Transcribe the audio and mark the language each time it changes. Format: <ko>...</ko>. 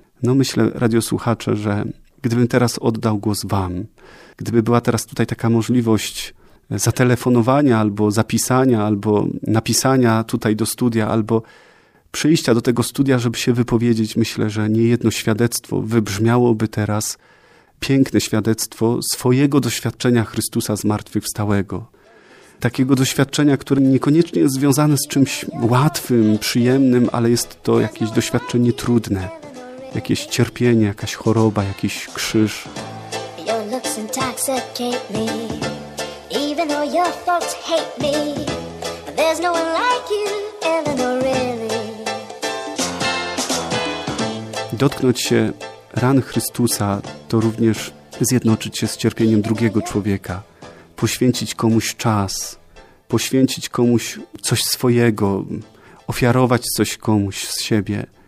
<pl>No myślę, radiosłuchacze, że gdybym teraz oddał głos Wam, gdyby była teraz tutaj taka możliwość zatelefonowania, albo zapisania, albo napisania tutaj do studia, albo przyjścia do tego studia, żeby się wypowiedzieć, myślę, że niejedno świadectwo wybrzmiałoby teraz, piękne świadectwo swojego doświadczenia Chrystusa zmartwychwstałego. Takiego doświadczenia, które niekoniecznie jest związane z czymś łatwym, przyjemnym, ale jest to jakieś doświadczenie trudne. Jakieś cierpienie, jakaś choroba, jakiś krzyż.</pl> <en>Your looks intoxicate me. Even though your folks hate me, there's no one like you, Eleanor, really.</en> <pl>Dotknąć się ran Chrystusa to również zjednoczyć się z cierpieniem drugiego człowieka. Poświęcić komuś czas, poświęcić komuś coś swojego, ofiarować coś komuś z siebie.</pl>